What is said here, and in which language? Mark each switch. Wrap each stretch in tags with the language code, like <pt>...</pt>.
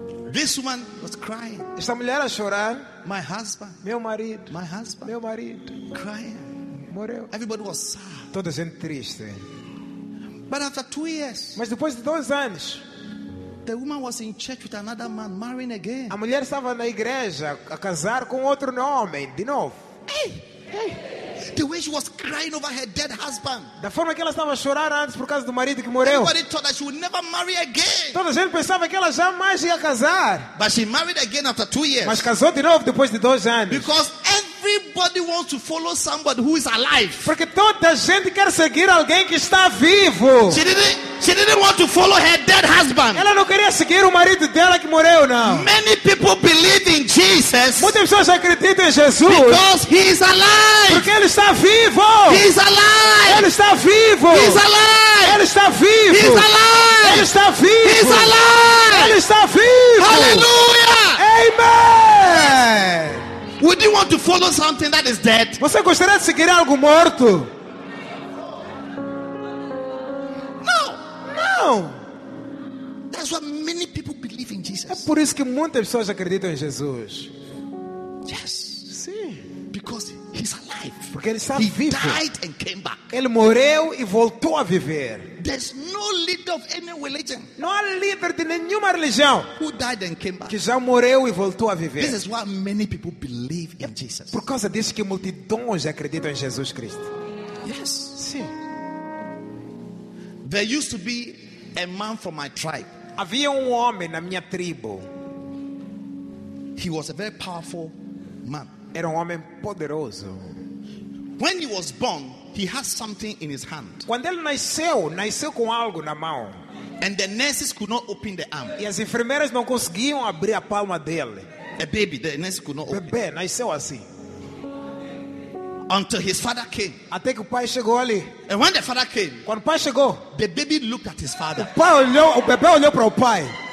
<en>This woman was crying.</en> <pt>Esta mulher a chorar.</pt> <en>My husband.</en> <pt>Meu marido.</pt> <en>My husband.</en> <pt>Meu marido.</pt> <en>Crying.</en> <pt>Morreu.</pt> <en>Everybody was sad.</en> <pt>Todos em triste.</pt> <en>But after 2 years.</en> <pt>Mas depois de 2 anos.</pt> <en>The woman was in church with another man, marrying again.</en> <pt>A mulher estava na igreja a casar com outro homem de novo.</pt> <en>Hey. The way she was crying over her dead husband.</en> <pt>Da forma que ela estava a chorar antes por causa do marido que morreu.</pt> <en>Everybody thought that she would never marry again.</en> <pt>Toda a gente pensava que ela jamais ia casar.</pt> <en>But she married again after 2 years.</en> <pt>Mas casou de novo depois de 2 anos.</pt> <en>Because everybody wants to follow somebody who is alive.</en> <pt>Porque toda a gente quer seguir alguém que está vivo.</pt> <en>She didn't want to follow her dead husband.</en> <pt>Ela não queria seguir o marido dela que morreu, não.</pt> <en>Many people believe in Jesus.</en> <pt>Muitas pessoas acreditam em Jesus.</pt> <en>Because he is alive.</en> <pt>Porque ele está vivo.</pt> <en>He is alive.</en> <pt>Ele está vivo.</pt> <en>He is alive.</en> <pt>Ele está vivo.</pt> <en>He is alive.</en> <pt>Ele está vivo.</pt> <en>He is alive.</en> <pt>Ele está vivo. Hallelujah. Amen.</pt> <en>Would you want to follow something that is dead?</en> <pt>Você gostaria de seguir algo morto?</pt> <en>No. No. That's why many people believe in Jesus.</en> <pt>É por isso que muitas pessoas acreditam em Jesus.</pt> <en>Yes.</en> <pt>Sim.</pt> <en>Because he's alive.</en> <pt>Porque ele está</pt> <en>he</en> <pt>vivo.</pt> <en>Died and came back.</en> <pt>Ele morreu e voltou a viver.</pt> <en>There's no leader of any religion.</en> <pt>Não há líder de nenhuma religião.</pt> <en>Who died and came back.</en> <pt>Que já morreu e voltou a viver.</pt> <en>This is why many people believe in Jesus.</en> <pt>Por causa disso que multidões acreditam em Jesus Cristo.</pt> <en>Yes.</en> <pt>Sim.</pt> <en>There used to be a man from my tribe.</en> <pt>Havia homem na minha tribo.</pt> <en>He was a very powerful man.</en> <pt>Era homem poderoso.</pt> <en>When he was born, he has something in his hand.</en> <pt>Quando ele nasceu, nasceu com algo na mão.</pt> <en>And the nurses could not open the arm.</en> <pt>E as enfermeiras não conseguiam abrir a palma dele.</pt> <en>A baby, the nurses could not open.</en> <pt>Bebê, nasceu assim.</pt> <en>Until his father came.</en> <pt>Até que o pai chegou ali.</pt> <en>And when the father came,</en> <pt>quando o pai chegou,</pt> <en>the baby looked at his father.</en> <pt>O pai olhou, o bebê olhou para o pai.</pt>